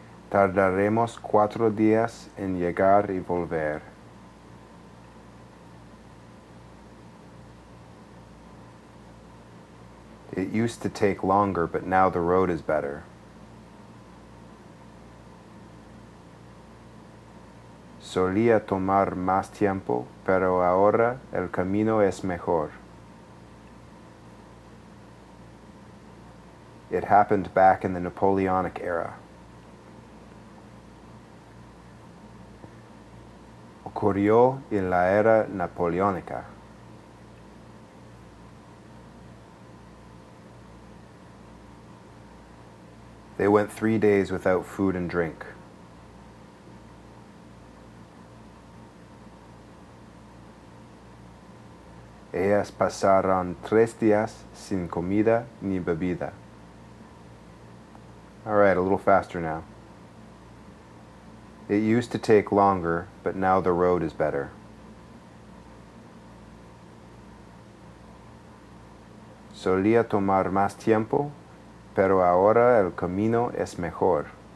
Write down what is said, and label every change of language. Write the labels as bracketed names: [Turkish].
[Spanish] Tardaremos 4 días en llegar y volver. [English] It used to take longer, but now the road is better. [Spanish] Solía tomar más tiempo, pero ahora el camino es mejor. [English] It happened back in the Napoleonic era. [Spanish] Ocurrió en la era napoleónica. [English] They went 3 days without food and drink. [Spanish] Ellas pasaron 3 días sin comida ni bebida. [English] All right, a little faster now. It used to take longer, but now the road is better. [Spanish] Solía tomar más tiempo, pero ahora el camino es mejor.